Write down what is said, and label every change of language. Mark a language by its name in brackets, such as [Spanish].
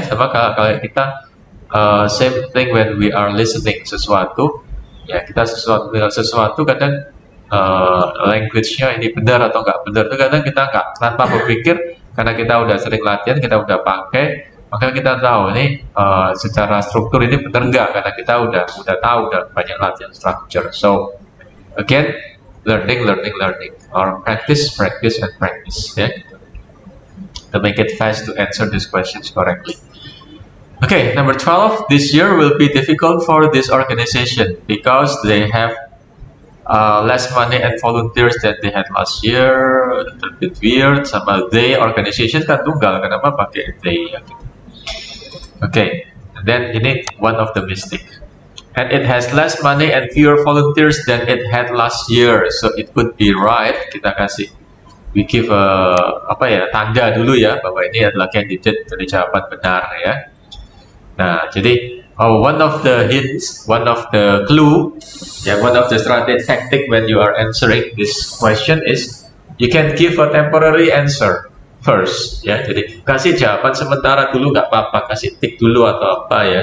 [Indonesian] Sama kalau kita [English] same thing when we are listening [Indonesian] sesuatu, ya, kita sesuatu kadang language-nya ini benar atau nggak benar itu kadang kita nggak tanpa berpikir, karena kita udah sering latihan, kita udah pakai, maka kita tahu ini secara struktur ini benar nggak, karena kita udah tahu, udah banyak latihan structure. [English] So again, learning, learning, learning, or practice, practice, and practice. Yeah? To make it fast to answer these questions correctly. Okay, number 12, this year will be difficult for this organization because they have less money and volunteers than they had last year. A bit weird, [Indonesian] sama [English] they organization [Indonesian] kan tunggal, kenapa pakai [English] they? Okay, and then [Indonesian] ini [English] one of the mistake. And it has less money and fewer volunteers than it had last year, so it could be right. [Indonesian] Kita kasih, [English] we give [Indonesian] apa ya tanda dulu ya bahwa ini adalah candidate dari jawaban benar ya. Nah, jadi [English] oh, one of the hints, one of the clue, yeah, one of the strategic tactic when you are answering this question is you can give a temporary answer first, ya. [Indonesian] Jadi kasih jawaban sementara dulu, nggak apa-apa, kasih tick dulu atau apa ya.